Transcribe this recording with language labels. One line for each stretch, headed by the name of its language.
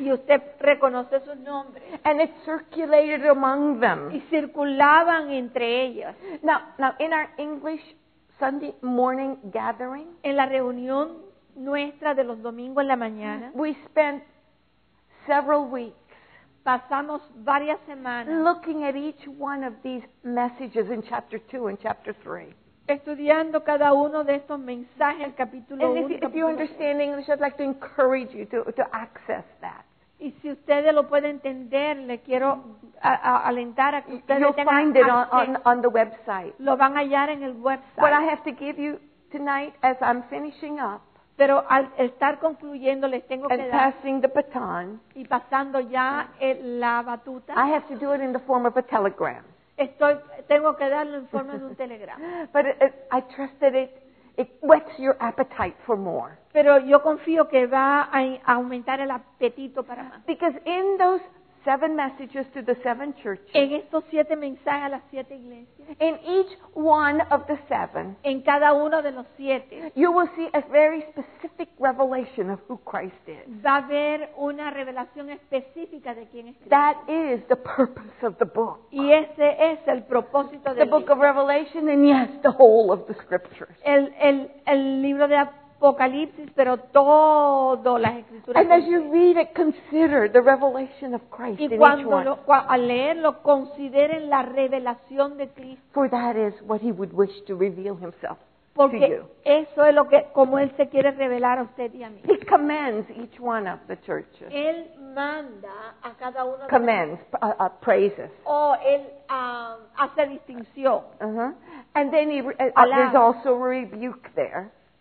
Spanish: Y usted reconoce sus nombres.
English: And it circulated among them.
Spanish: Y circulaban entre ellos.
English: Now, in our English Sunday morning gathering,
Spanish: en la reunión nuestra de los domingos en la mañana,
English: we spent several weeks.
Spanish: Pasamos varias semanas
English: looking at each one of these messages in chapter 2 and chapter 3.
Spanish: Estudiando cada uno de estos mensajes en capítulo 1.
English: If you understand English, I'd like to encourage you to access that.
Spanish: Y si ustedes lo pueden entender, le quiero alentar a que ustedes tengan
English: You'll find it on the website.
Spanish: Lo van a hallar en el website.
English: What I have to give you tonight as I'm finishing up.
Spanish: Pero al estar concluyendo, les tengo que dar.
English: And passing the baton.
Spanish: Y pasando ya la batuta.
English: I have to do it in the form of a telegram.
Spanish: Tengo que darlo en forma de un telegrama.
English: But I trust that it whets your appetite for more.
Spanish: Pero yo confío que va a aumentar el apetito para más.
English: Because in those seven messages to the seven churches.
Spanish: En estos siete mensajes a las siete iglesias.
English: In each one of the seven.
Spanish: En cada uno de los siete.
English: You will see a very specific revelation of who Christ is.
Spanish: Va a haber una revelación específica de quién es Cristo.
English: That is the purpose of the book.
Spanish: Y ese es el propósito del libro.
English: The book of Revelation and yes, the whole of the scriptures.
Spanish: El libro de Apocalipsis, pero todo las escrituras.
English: And as you read it, consider the revelation of Christ in each one.
Spanish: Y cuando al leerlo, consideren la revelación de Cristo.
English: For that is what he would wish to reveal himself
Spanish: porque
English: to you.
Spanish: Porque eso es lo que como él se quiere revelar a usted y a mí.
English: He commends each one of the churches.
Spanish: Él manda a cada uno.
English: Commends, praises.
Spanish: O él hace distinción.
English: Uh-huh. And then there's also a rebuke there.